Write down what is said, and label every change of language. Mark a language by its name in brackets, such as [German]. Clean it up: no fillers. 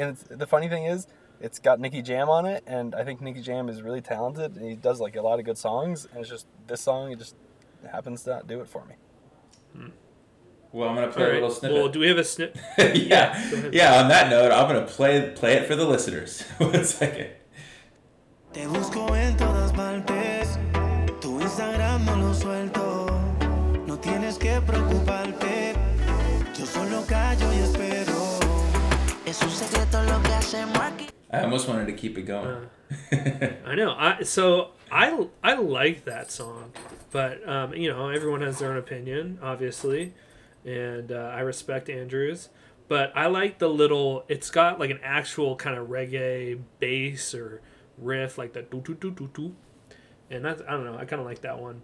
[English] And the funny thing is, it's got Nicky Jam on it. And I think Nicky Jam is really talented. And he does, like, a lot of good songs. And it's just, this song, it just happens to not do it for me. Well, I'm going to play a little snippet. Well, do we have a snip? Yeah. On that note, I'm going to play it for the listeners. One second. [Spanish] Te busco en todas partes, tu Instagram no lo suelto, no tienes que preocuparte, yo solo callo y espero, es un secreto lo que hacemos aquí. [English] I almost wanted to keep it going. I know, I like that song, but, you know, everyone has their own opinion, obviously, and I respect Andrew's. But I like the little, it's got like an actual kind of reggae bass or riff, like that do do do do do, and that's, I don't know, I kind of like that one.